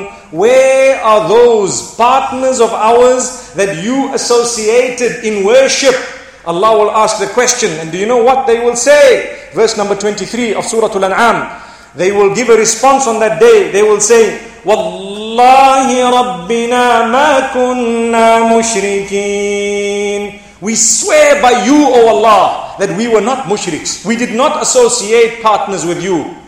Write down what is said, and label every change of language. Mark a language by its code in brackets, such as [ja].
[en] Where are those partners of ours that you associated in worship? Allah will ask the question, and do you know what they will say? Verse number 23 of Suratul An'am. They will give a response on that day. They will say, [ar] وَاللَّهِ رَبِّنَا مَا كُنَّا مُشْرِكِينَ. [en] We swear by you, O Allah, that we were not mushriks. We did not associate partners with you.